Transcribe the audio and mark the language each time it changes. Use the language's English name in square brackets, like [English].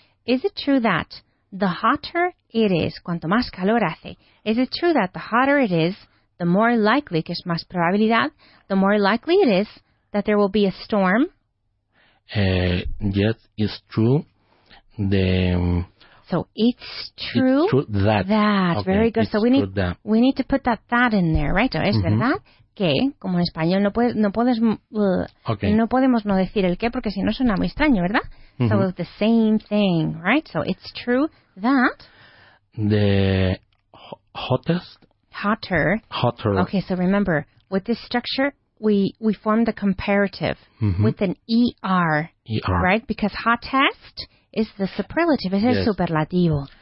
[English] Is it true that the hotter it is, cuanto más calor hace, is it true that the hotter it is, the more likely, que es más probabilidad, the more likely it is that there will be a storm? Yes, it's true. It's true that. Okay. Very good. so we need to put that in there, right? [Spanish] Es mm-hmm. verdad que, como en español, no podemos no decir el qué porque si no suena muy extraño, ¿verdad? Mm-hmm. [English] So it's the same thing, right? So it's true that. the hottest. Hotter. Hotter. Okay, so remember, with this structure, we form the comparative with an ER. ER. Right? Because hottest is the superlative. It's a superlativo.